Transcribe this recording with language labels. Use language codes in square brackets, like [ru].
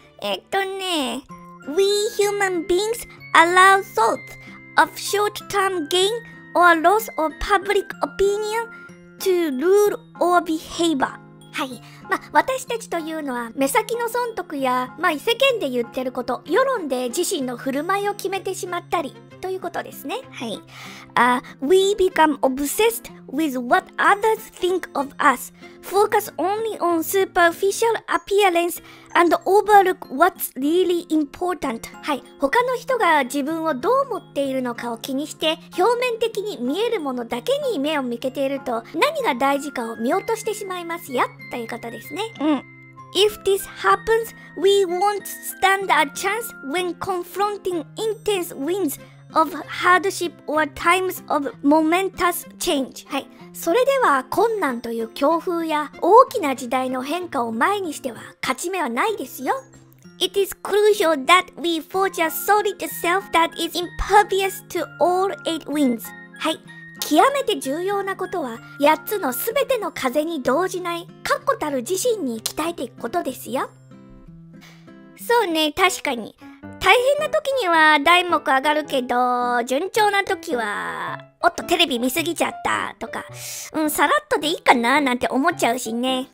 [en] We human beings allow thoughts of short-term gain or loss of public opinion to rule our behavior. [ja] はい、私たちというのは目先の損得や、世間で言ってること、世論で自身の振る舞いを決めてしまったりということですね。はい。 [en] We become obsessed with what others think of us, focus only on superficial appearance and overlook what's really important. [ja] はい。他の人が自分をどう思っているのかを気にして、表面的に見えるものだけに目を向けていると、何が大事かを見落としてしまいますよ、ということですね。うん。 [en] If this happens, we won't stand a chance when confronting intense winds. Of hardship or times of momentous change. [ja] はい、それでは困難という強風や大きな時代の変化を前にしては勝ち目はないですよ。 [en] It is crucial that we forge a solid self that is impervious to all eight winds. [ja] はい、極めて重要なことは8つの全ての風に動じない確固たる自身に鍛えていくことですよ。そうね、確かに大変な時には題目上がるけど、順調な時は、おっとテレビ見すぎちゃったとか、さらっとでいいかななんて思っちゃうしね。